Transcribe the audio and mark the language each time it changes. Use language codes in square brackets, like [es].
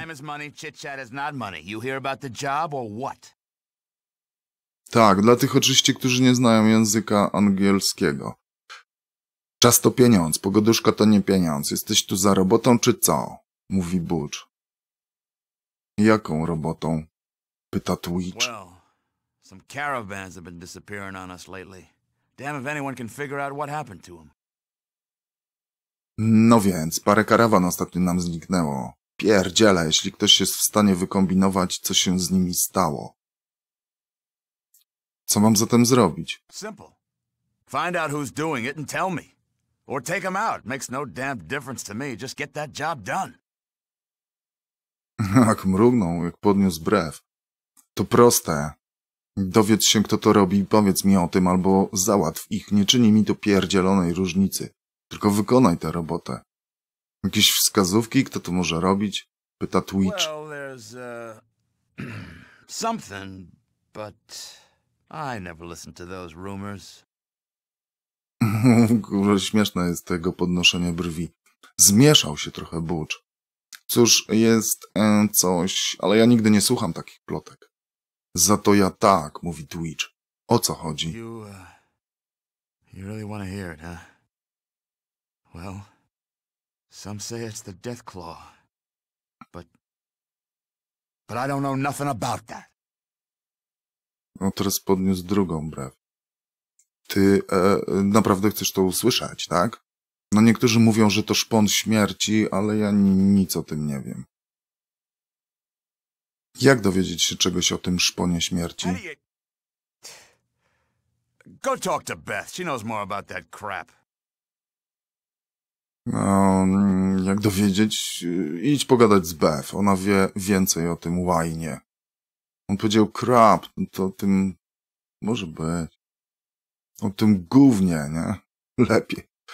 [en] Time is money, chit-chat is not money. You hear about the job or what? [pl] Tak, dla tych oczywiście, którzy nie znają języka angielskiego. Czas to pieniądz, pogoduszka to nie pieniądz. Jesteś tu za robotą czy co? Mówi Butch. Jaką robotą? Pyta Twitch. [en] Well, some caravans have been disappearing on us lately. Damn if anyone can figure out what happened to them. [pl] No więc, parę karawan ostatnio nam zniknęło. Pierdziele, jeśli ktoś jest w stanie wykombinować, co się z nimi stało. Co mam zatem zrobić? Simple. [en] Find out who's doing it and tell me. Or take him out. Makes no damn difference to me. Just get that job done. [pl] Jak mrugnął, jak podniósł brew. To proste. Dowiedz się, kto to robi i powiedz mi o tym, albo załatw ich. Nie czyni mi to pierdzielonej różnicy. Tylko wykonaj tę robotę. Jakieś wskazówki, kto to może robić? Pyta Twitch. [en] Well, there's, something, but I never listened to those rumors. [pl] Kurde, śmieszne jest tego podnoszenie brwi. Zmieszał się trochę Butch. Cóż, jest coś, ale ja nigdy nie słucham takich plotek. Za to ja tak, mówi Twitch. O co chodzi? [en] You really wanna hear it, huh? Well, some say it's the Death Claw, but I don't know nothing about that. [pl] No teraz podniósł drugą brew. Ty naprawdę chcesz to usłyszeć, tak? No niektórzy mówią, że to szpon śmierci, ale ja nic o tym nie wiem. Jak dowiedzieć się czegoś o tym szponie śmierci? [en] Go talk to Beth, she knows more about that crap. [pl] No, jak dowiedzieć? Idź pogadać z Beth, ona wie więcej o tym łajnie. On powiedział crap, to tym... może być. O tym gównie, nie? Lepiej.